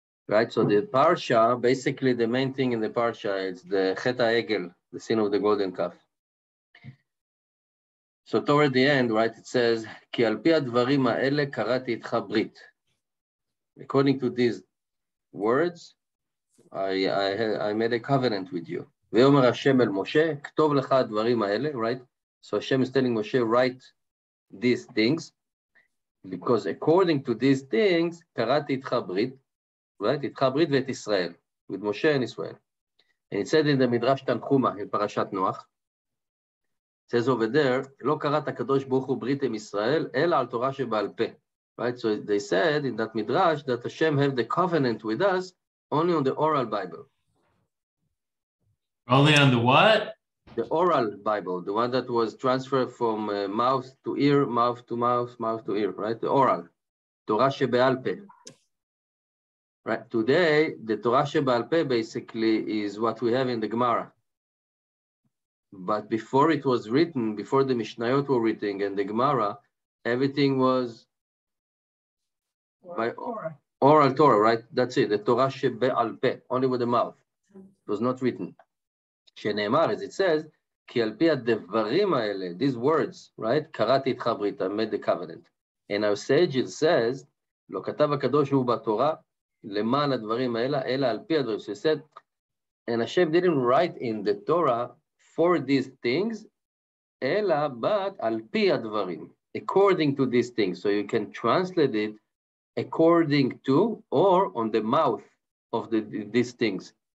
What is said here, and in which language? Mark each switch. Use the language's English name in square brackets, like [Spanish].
[English] Right, so the parsha, basically the main thing in the parsha is the chet ha'egel, the sin of the golden calf. So toward the end, right, it says, [Hebrew] כי על פי הדברים האלה קראתי איתך ברית. [English] According to these words, I made a covenant with you. [Hebrew] ויאמר השם אל משה, כתוב לך הדברים האלה, [English] right? So השם is telling משה, write these things, because according to these things, [Hebrew] קראתי איתך ברית, [English] right? [Hebrew] איתך ברית ואת ישראל, with משה and ישראל. [English] And it said in the [Hebrew] מדרש תנחומה, in פרשת נוח, [English] it says over there, [Hebrew] לא קראת הקדוש ברוך הוא ברית עם ישראל, אלא על תורה שבעל פה, right? [English] So they said in that מדרש, that השם have the covenant with us, only on the oral Bible. Only on the what? The oral Bible, the one that was transferred from mouth to ear, mouth to mouth, mouth to ear, right? The oral. Torah she'be'al peh. Right? Today, the Torah she'be'al peh basically is what we have in the Gemara. But before it was written, before the Mishnayot were written and the Gemara, everything was by oral Torah, right? That's it. The Torah she'be'al peh, only with the mouth. It was not written. שנאמר, as it says, [Hebrew] כי על פי הדברים האלה, [English] these words, right? [Hebrew] קראתי איתך ברית, [English] I made the covenant. And our sage, it says, [Hebrew] לא כתב הקדוש הוא בתורה, למען הדברים האלה, אלא על פי הדברים. [English] So he said, and Hashem didn't write in the Torah for these things, אלא, but [Hebrew] על פי הדברים, [English] according to these things. So you can translate it according to, or on the mouth of the, these things.